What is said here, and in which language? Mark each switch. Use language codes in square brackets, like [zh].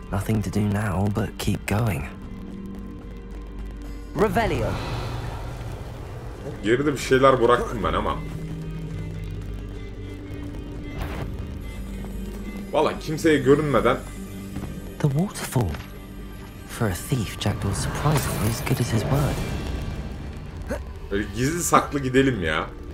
[en] Nothing to do now but keep going. Revelio. [tr] Geride bir şeyler bıraktım ben ama. Valla kimseye görünmeden. [en] The waterfall. For a thief, Jackdaw's surprisingly as good as his word. [tr] Böyle gizli saklı gidelim ya.